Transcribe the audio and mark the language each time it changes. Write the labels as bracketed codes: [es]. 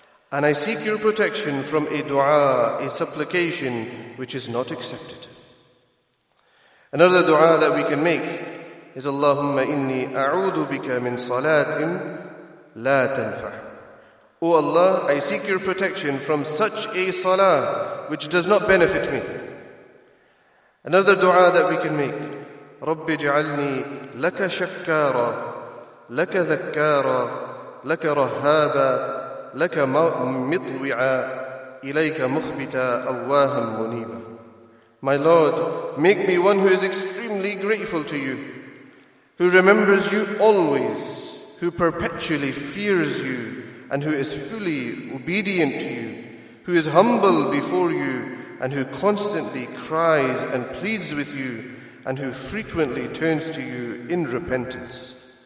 [en] And I seek your protection from a dua, a supplication which is not accepted. Another dua that we can make is, [ar] Allahumma inni a'udhu bika min salatin la tanfa'. [en] O Allah, I seek your protection from such a salah which does not benefit me. Another dua that we can make, [ar] رَبِّ جَعَلْنِي لَكَ شَكَّارًا لَكَ ذَكَّارًا لَكَ رَهَّابًا لَكَ مِطْوِعًا إِلَيْكَ مُخْبِتًا أَوَّاهًا مُنِيبًا. [en] My Lord, make me one who is extremely grateful to you, who remembers you always, who perpetually fears you, and who is fully obedient to you, who is humble before you, and who constantly cries and pleads with you, and who frequently turns to you in repentance.